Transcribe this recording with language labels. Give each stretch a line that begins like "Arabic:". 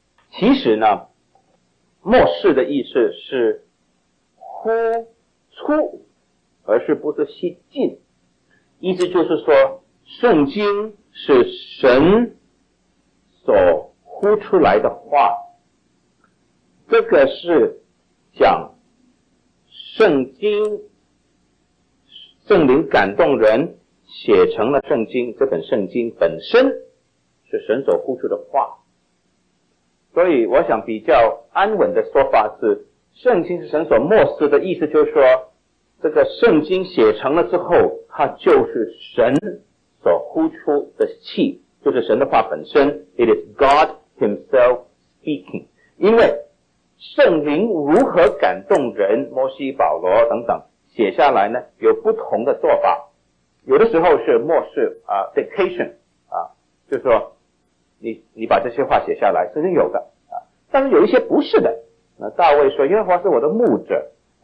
Chinese: 其实呢，默示的意思是呼出，而是不是吸进，意思就是说圣经是神所呼出来的话，这个是讲圣经圣灵感动人写成了圣经，这本圣经本身是神所呼出的话。所以我想比较安稳的说法是，圣经是神所默示的意思就是说，这个圣经写成了之后，它就是神所呼出的气，就是神的话本身。
English: It is God Himself speaking。
Chinese: 因为圣灵如何感动人，摩西、保罗等等写下来呢？有不同的做法。有的时候是默示啊 ，dictation 啊，就是说你把这些话写下来，圣经有的啊。但是有一些不是的。那大卫说：“耶和华是我的牧者。”